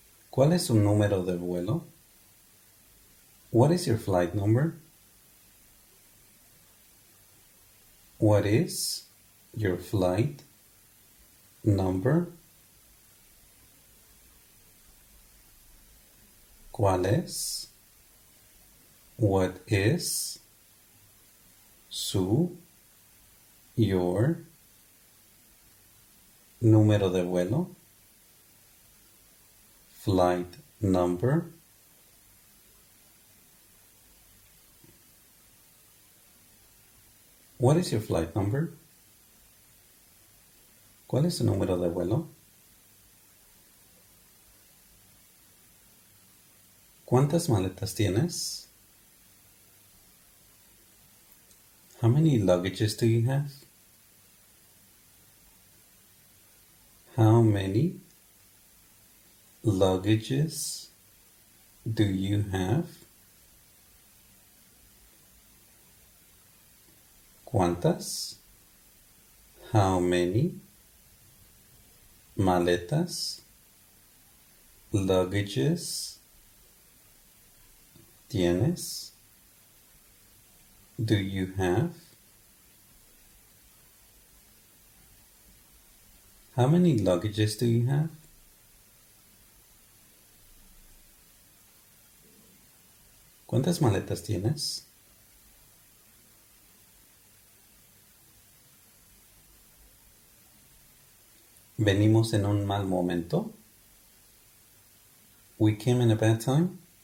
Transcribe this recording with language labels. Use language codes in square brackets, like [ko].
[es] ¿Cuál es su número de vuelo? [en] What is your flight number? What is your flight number? [es] ¿Cuál es? [en] What is [es] su [en] your [es] número de vuelo? [en] Flight number. What is your flight number? [es] ¿Cuál es su número de vuelo? ¿Cuántas maletas tienes? [en] How many luggages do you have? How many luggages do you have? [es] ¿Cuántas? [en] How many [es] maletas, [en] luggages [es] tienes? [en] Do you have? How many luggages do you have? [es] ¿Cuántas maletas tienes? ¿Venimos en un mal momento? [en] We came in a bad time.